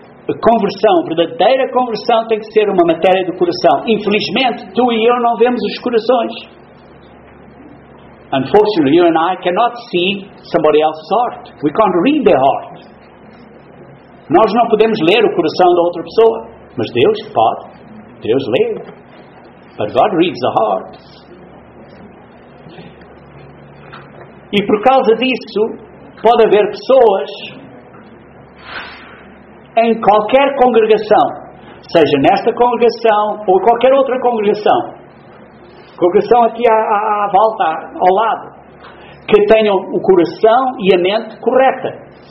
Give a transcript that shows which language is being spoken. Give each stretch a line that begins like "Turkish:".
Portuguese: A conversão, a verdadeira conversão, tem que ser uma matéria do coração. Infelizmente, tu e eu não vemos os corações.
English: Unfortunately, you and I cannot see somebody else's heart. We can't read their heart.
Portuguese: Nós não podemos ler o coração da outra pessoa, mas Deus pode. Deus lê.
English: But God reads the heart.
Portuguese: E por causa disso, pode haver pessoas em qualquer congregação, seja nesta congregação ou qualquer outra congregação, congregação aqui à volta, ao lado, que tenham o coração e a mente correta.